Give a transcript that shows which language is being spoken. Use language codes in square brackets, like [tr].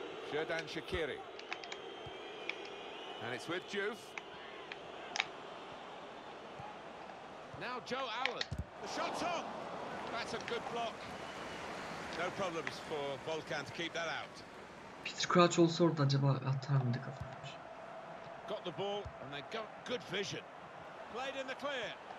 [en] Jordan Shaqiri. And it's with Diouf. Now Joe Allen. The shot's on. That's a good block. No problems for Volkan to keep that out. [tr] Peter Crouch olsa orada acaba atar mıydı kafamış? [en] Got the ball and they got good vision. Played in the clear.